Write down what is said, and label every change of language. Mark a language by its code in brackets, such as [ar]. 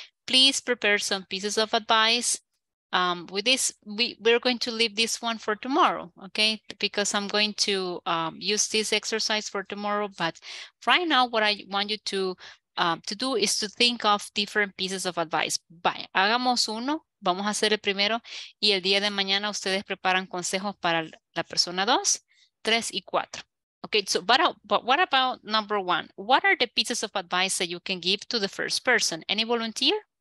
[en] Please prepare some pieces of advice. With this, we're going to leave this one for tomorrow, okay? Because I'm going to use this exercise for tomorrow. But right now, what I want you to do is to think of different pieces of advice. [es] Vaya, hagamos uno, vamos a hacer el primero, y el día de mañana ustedes preparan consejos para la persona 2, 3, y 4. [en] Okay, so but what about number one? What are the pieces of advice that you can give to the first person? Any volunteer?